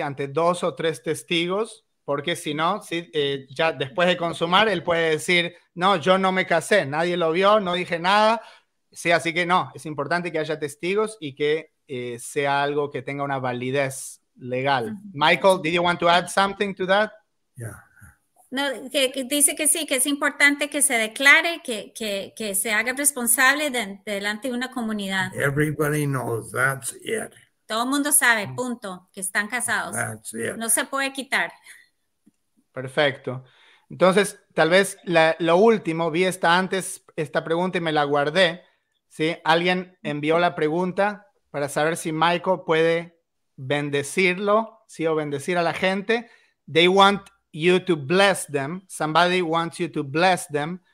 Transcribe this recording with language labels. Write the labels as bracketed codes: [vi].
[es] Ante 2 o 3 testigos, porque si no, ¿sí? Ya después de consumar, él puede decir, no, yo no me casé, nadie lo vio, no dije nada, sí, así que no, es importante que haya testigos y que sea algo que tenga una validez legal. [en] Michael, did you want to add something to that? Yeah. [es] No, que dice que sí, que es importante que se declare, que se haga responsable delante de una comunidad. [en] Everybody knows, that's it. [es] Todo el mundo sabe, punto, que están casados. [en] That's it. [es] No se puede quitar. Perfecto. Entonces, tal vez lo último, vi esta pregunta y me la guardé. ¿Sí? Alguien envió la pregunta para saber si Michael puede bendecirlo, sí, o bendecir a la gente. [en] They want you to bless them. Somebody wants you to bless them.